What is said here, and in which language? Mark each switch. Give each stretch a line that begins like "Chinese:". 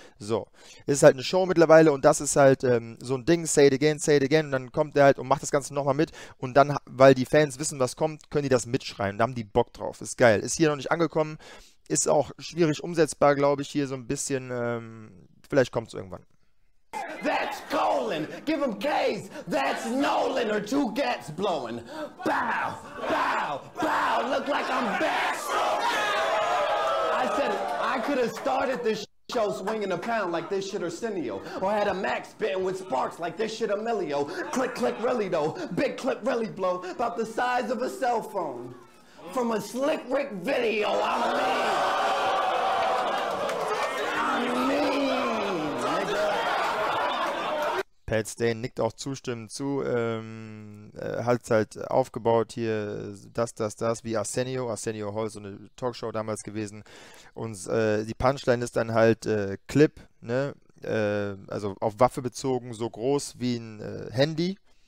German: So, ist halt eine Show mittlerweile und das ist halt so ein Ding,
English: say it again
German: und dann kommt der halt und macht das Ganze nochmal mit und dann, weil die Fans wissen, was kommt, können die das mitschreien. Da haben die Bock drauf. Ist geil. Ist hier noch nicht angekommen. Ist auch schwierig umsetzbar, glaube ich, hier so ein bisschen. Vielleicht kommt es irgendwann.
English: That's colon, give him K's, that's Nolan, or two gats blowing. Bow, bow, bow, look like I'm backstroking. I said, I could have started this show swinging a pound like this shit Arsenio, or had a Max spitting with sparks like this shit Emilio. Click, click, really though, big clip, really blow, about the size of a cell phone. From a Slick Rick video, I'm mean. I'm mean.
German: Pat Stane nickt auch zustimmend zu. Hat es halt aufgebaut hier, das, wie Arsenio. Arsenio Hall, so eine Talkshow damals gewesen. Und die Punchline ist dann halt Clip, ne? Also auf Waffe bezogen, so groß wie ein Handy.